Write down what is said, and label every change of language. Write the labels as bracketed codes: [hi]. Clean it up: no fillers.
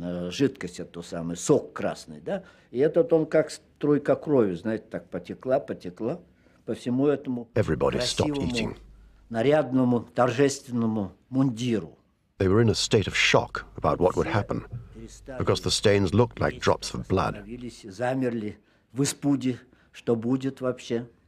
[ru] Жидкость эту самую, сок красный, да? И этот он как струйка крови, знаете, так потекла, потекла по всему этому [en] Everybody [ru] красивому, [en] stopped eating. [ru] Нарядному, торжественному мундиру. [en] They were in a state of shock about what would happen, because the stains looked like drops of blood. [ru] Замерли в испуге, что будет вообще.